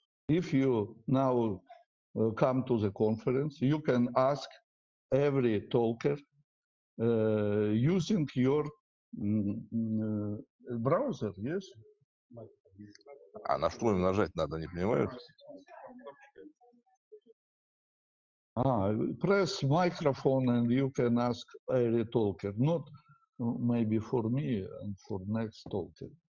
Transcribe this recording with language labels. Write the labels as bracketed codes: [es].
[en] If you now come to the conference, you can ask every talker using your browser, yes? [ru] А на что им нажать надо, не понимаю? [en] Press microphone and you can ask every talker. Not maybe for me and for next talker.